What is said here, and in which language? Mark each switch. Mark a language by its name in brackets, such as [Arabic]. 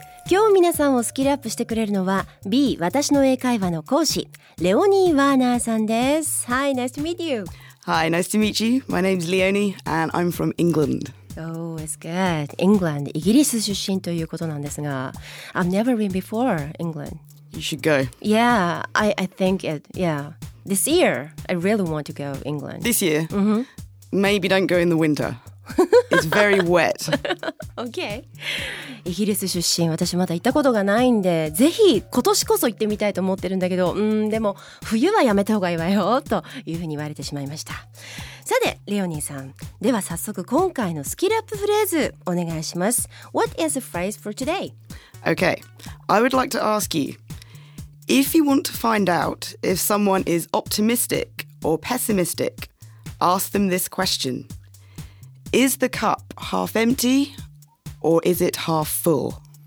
[Japanese] 今日皆さんをスキルアップしてくれるのは B 私の英会話の講師レオニー・ワーナーさんです。 [English] Hi, nice to meet you. Hi, nice to meet you. My name is Leonie and I'm from England. Oh, it's good. England, [Japanese] イギリス出身ということなんですが、 [English] I've never been before England. You should go. Yeah, I think it, yeah. This year, I really want to go England. This year?、Mm-hmm. Maybe don't go in the winter. It's very wet. [Japanese] Okay. イギリス出身、私まだ行ったことがないんで、ぜひ今年こそ行ってみたいと思ってるんだけど、でも冬はやめた方がいいわよというふうに言われてしまいました。さて、レオニーさん、では早速今回のスキルアップフレーズお願いします。 [English] What is the phrase for today? Okay. I would like to ask you, if you want to find out if someone is optimistic or pessimistic, ask them this question. Is the cup half empty or is it half full?